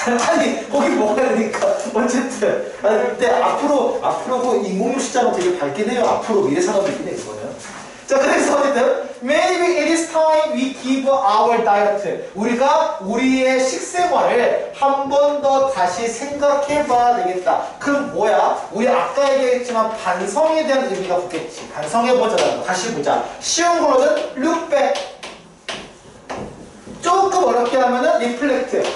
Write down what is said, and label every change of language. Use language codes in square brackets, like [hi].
[ko] 아니, 고기 먹어야 되니까. 어쨌든. 아니, 근데 앞으로 그 인공육 시장은 되게 밝긴 해요. 앞으로 미래 산업이 있긴 해, 이거는. 자, 그래서 어쨌든 [en] maybe it is time we give our diet. [ko] 우리가 우리의 식생활을 한 번 더 다시 생각해 봐야 되겠다. 그럼 뭐야? 우리 아까 얘기했지만 반성에 대한 의미가 붙겠지. 반성해 보자. 다시 보자. 쉬운 거로는 [en] look back. [ko] 조금 어렵게 하면은 reflect.